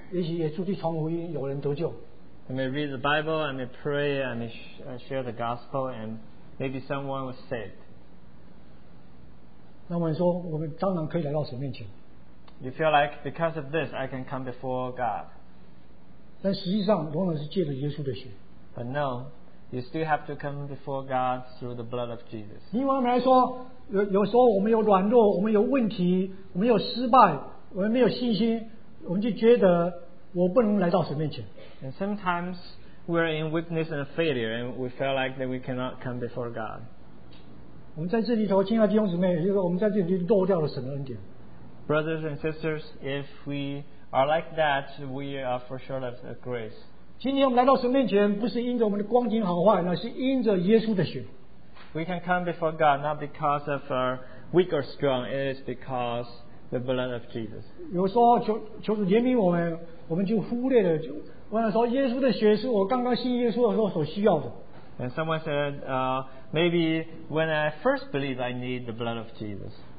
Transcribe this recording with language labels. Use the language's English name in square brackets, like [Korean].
[English] I may read the Bible, I may pray, I may share the gospel, and maybe someone was saved. [Chinese] 那我们说, [English] you feel like because of this, I can come before God. [Chinese] 但实际上, [English] but no, you still have to come before God through the blood of Jesus. [Chinese] 另外我们来说, 有时候我们有软弱, 我们有问题, 我们有失败, 我们没有信心, 我们就觉得, [English] and sometimes we are in weakness and failure and we feel like that we cannot come before God. [Chinese] 我们在这里头, 亲爱的弟兄姊妹, [English] brothers and sisters, if we are like that, we are for sure of grace. [Chinese] 今天我们来到神面前,不是因着我们的光景好坏, [English] we can come before God not because of our weak or strong, it is because the blood of Jesus. [Chinese] 有时候求主怜悯我们, 我们就忽略了, [English] and someone said, maybe when I first believe I need the blood of Jesus.